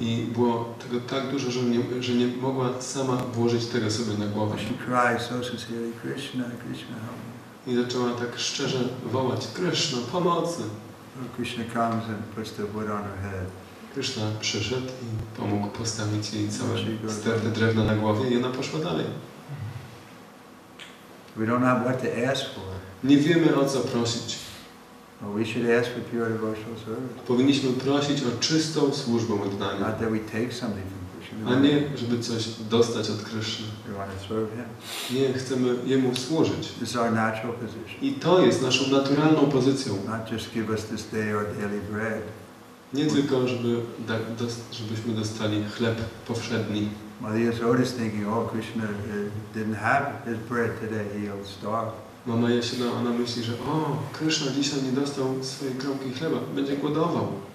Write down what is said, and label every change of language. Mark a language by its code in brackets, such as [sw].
[pl] I było tego tak dużo, że nie mogła sama włożyć tego sobie na głowę. [en] She cried so sincerely, Krishna, Krishna, help me. [pl] I zaczęła tak szczerze wołać, Krishna, pomocy. [en] Krishna comes and puts the wood on her head. [pl] Krishna przyszedł i pomógł postawić jej całe sterte drewno na głowie i ona poszła dalej. [en] We don't have what to ask for. [pl] Nie wiemy, o co prosić. [en] Well, we should ask for pure devotional service. [pl] Powinniśmy prosić o czystą służbę oddania. [en] Not that we take something from Krishna. [pl] A nie, żeby coś dostać od Krishna. [en] We want to serve him. [pl] Nie, chcemy Jemu służyć. [en] This is our natural position. [pl] I to jest naszą naturalną pozycją. [en] Not just give us this day our daily bread. [pl] Nie tylko, żebyśmy dostali chleb powszedni. [en] Maria Yashoda is thinking, oh, Krishna didn't have his bread today, he'll starve. [pl] Mama Yashoda, ona myśli, że o, Krishna dzisiaj nie dostał swojej kromki chleba, będzie głodował.